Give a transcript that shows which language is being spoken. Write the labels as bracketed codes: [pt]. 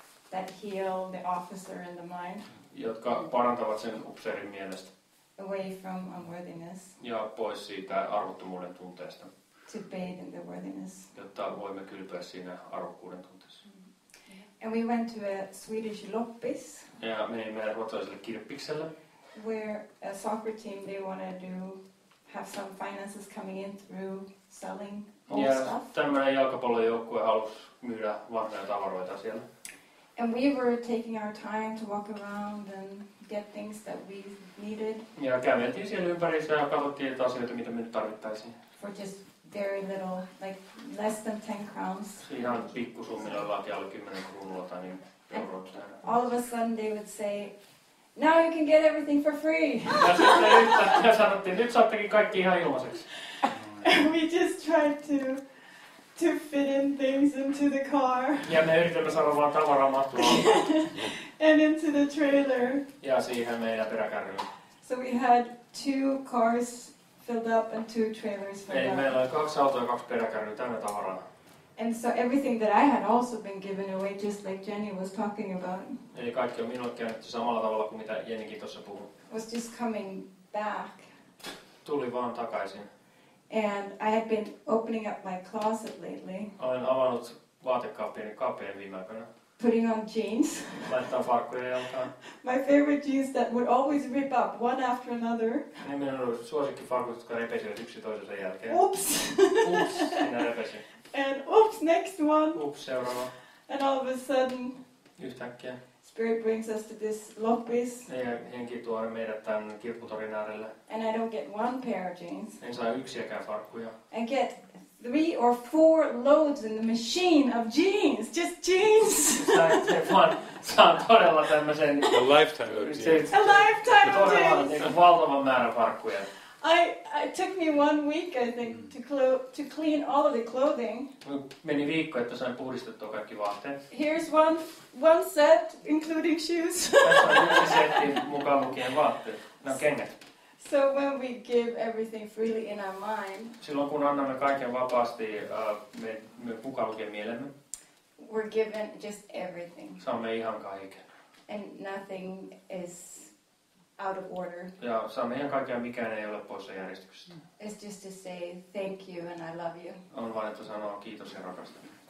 [en] That heal the officer in the mind. [fi] Jotka parantavat sen upseerin mielestä. [en] Away from unworthiness. [fi] Ja pois siitä arvottomuuden tunteesta. [en] To bathe in the worthiness. [fi] Jotta voimme kylpeä siinä arvokkuuden tunteessa. [en] And we went to a Swedish loppis. [fi] Ja menimme ruotsalaiselle kirppikselle. [en] Where a soccer team they want to do have some finances coming in through selling old [fi] ja [en] stuff. [fi] Ja tämmöinen jalkapallojoukkue halusi myydä vanhoja tavaroita siellä. [en] And we were taking our time to walk around and get things that we needed. [fi] Ja käveltiin siellä ympärissä ja katsottiin niitä asioita, mitä me nyt tarvittaisiin. [en] For just very little, like less than 10 crowns. [fi] Ihan pikkusummilla, vaikka alle 10 kruunulla tai niin. [en] All of a sudden they would say, now you can get everything for free. [fi] Ja sitten yhtäkkiä sanottiin, nyt saattekin kaikki ihan ilmaiseksi. [en] And we just tried to fit in things into the car. [fi] Ja me yritämme saada vaan tavaraa mahtumaan. [en] And into the trailer. [fi] Ja siihen meidän peräkärryyn. [en] So we had two cars filled up and two trailers filled up. [fi] Ei, meillä oli kaksi autoa ja kaksi peräkärryä tänne tavaraa. [en] And so everything that I had also been given away, just like Jenny was talking about. [fi] Eli kaikki on minulle käännetty samalla tavalla kuin mitä Jennykin tuossa puhui. [en] Was just coming back. [fi] Tuli vaan takaisin. [en] And I had been opening up my closet lately. [fi] Olen avannut vaatekaappien kaapien viime aikoina. [en] Putting on jeans. [fi] Laittaa farkkuja jalkaan. [en] My favorite jeans that would always rip up one after another. [fi] Ne minun suosikkifarkut, jotka repesivät yksi toisensa jälkeen. [en] Oops! [fi] Oops, sinä repesi. [en] And oops, next one. [fi] Oops, seuraava. [en] And all of a sudden. [fi] Yhtäkkiä. [en] Spirit brings us to this loppis. [fi] Ja henki tuo meidät tämän kirpputorin äärelle. [en] And I don't get one pair of jeans. [fi] En saa yksiäkään farkkuja. [en] And get three or four loads in the machine of jeans. Just jeans. [fi] Saa todella tämmösen. [en] A lifetime of jeans. A lifetime of jeans. [fi] Todella valtavan määrän farkkuja. [en] It took me 1 week, I think, to clean all of the clothing. [fi] Meni viikko, että sain puhdistettua kaikki vaatteet. [en] Here's one set, including shoes. [fi] Tässä on yksi setti mukaan lukien vaatteet. No, kengät. [en] So when we give everything freely in our mind, [fi] silloin kun annamme kaiken vapaasti, me mukaan lukien mielemme, [en] we're given just everything. [fi] Saamme ihan kaiken. [en] And nothing is out of order. [fi] Ja saamme ihan kaiken, mikään ei ole poissa järjestyksestä. [en] It's just to say thank you and I love you. [fi] On vain, että sanoo kiitos ja rakastan.